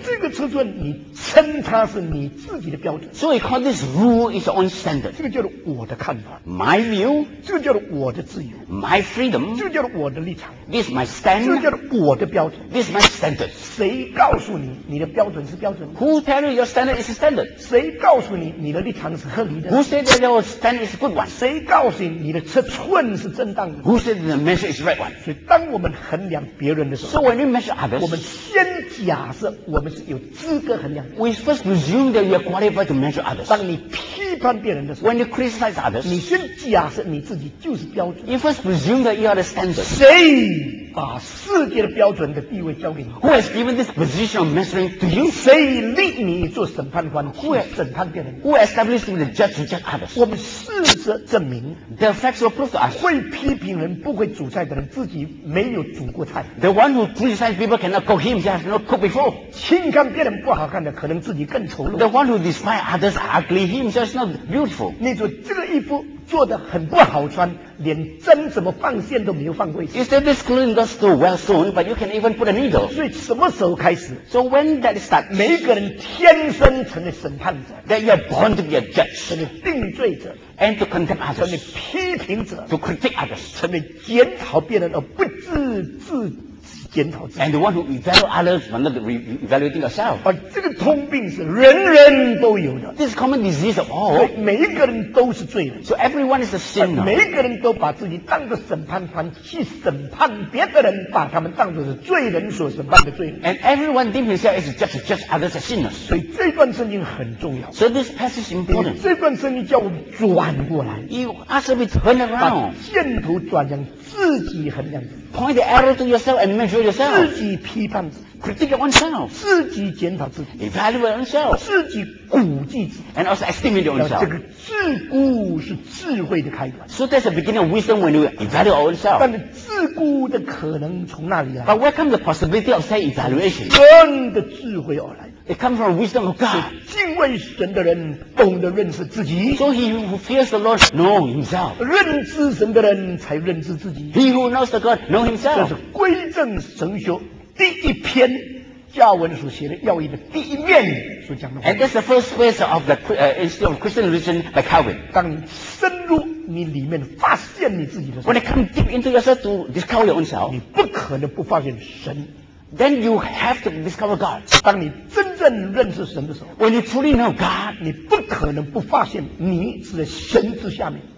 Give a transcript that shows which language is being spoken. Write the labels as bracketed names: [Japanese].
[Chinese] 这个尺寸你称它是你自己的标准。 [English] So we call this rule is your own standard. [Chinese] 这个叫做我的看法。 [English] My view. [Chinese] 这个叫做我的自由。 [English] My freedom. [Chinese] 这个叫做我的立场。 [English] This is my standard. [Chinese] 这个叫做我的标准。 [English] This is my standard. [Chinese] 谁告诉你你的标准是标准？ [English] Who tell you your standard is a standard? [Chinese] 谁告诉你你的立场是合理的？ [English] Who said that your standard is a good one? [Chinese] 谁告诉你你的尺寸是正当的？ [English] Who said the measure is right one? [Chinese] 所以当我们衡量别人的时候， [English] So when we measure others, [Chinese] 我们先假设我们是有资格衡量。 [English] We first presume that you are qualified to measure others. [Chinese] 当你批判别人的时候， [English] When you criticize others, [Chinese] 你先假设你自己就是标准。 [English] You first presume that you are the standard. [Chinese] 谁把世界的标准的地位交给你？ [English] Who has given this position of measuring to you? [Chinese] 谁立你做审判官去审判别人？ [English] Who established you the judge to judge others? [Chinese] 我们事实证明， [English] The facts will prove to us. [Chinese] 会批评人不会煮菜的人自己没有煮过菜。 [English] The one who criticizes people cannot cook himself not cook before. [Chinese] 轻看别人不好看的可能自己更丑陋。 [English] The one who despises others ugly himself not beautiful. [Chinese] 你说这个衣服做得很不好穿，连针怎么放线都没有放过一次。 [English] You said this clothing does too well soon, but you can even put a needle. [Chinese] 所以什么时候开始 [English] ？So when that starts? [Chinese] 每一个人天生成了审判者。 [English] That you are born to be a judge. [Chinese] 成了定罪者。 [English] And to condemn others. [Chinese] 成了批评者。 [English] To critic others. [Chinese] 成了检讨别人而不自知。检讨自己。 [English] And the one who evaluate others, but not evaluating yourself. [Chinese] 啊，这个通病是人人都有的。 [English] This common disease of all. [Chinese] 每一个人都是罪人。 [English] So everyone is a sinner. [Chinese] 每一个人都把自己当作审判官去审判别的人，把他们当作是罪人所审判的罪人。 [English] And everyone deems himself as just others as sinners. [Chinese] 所以这段圣经很重要。 [English] So this passage is important. [Chinese] 这段圣经叫我们转过来。 [English] You ask me to turn around. [Chinese] 把箭头转向自己衡量。 [English] Point the arrow to yourself and measure yourself. [Chinese] 自己批判自己。 [English] Critique oneself. [Chinese] 自己检讨自己。 [English] Evaluate oneself. [Chinese] 自己估计自己。 [English] And also estimate yourself. [Chinese] 这个自顾是智慧的开端。 [English] So that's the beginning of wisdom when you evaluate yourself. [Chinese] 但是自顾的可能从哪里来？ [English] But where comes the possibility of self-evaluation? [Chinese] 真的智慧而来。 [English] It comes from wisdom of God. [Chinese] 敬畏神的人懂得认识自己。 [English] So he who fears the Lord knows himself. [Chinese] 认知神的人才认知自己。 [English] He who knows the God knows himself. [Chinese] 这是归正神学第一篇加文所写的要义的第一面所讲的话。 [English] And that's the first phase of the Institute of Christian Religion by Calvin. [Chinese] 当你深入你里面发现你自己的时候 [English] When you come deep into yourself to discover your own self, [Chinese] 你不可能不发现神。 [English] Then you have to discover God. [Chinese] 当你真正认识神的时候 [English] When you truly know God, [Chinese] 你不可能不发现你是在神之下面。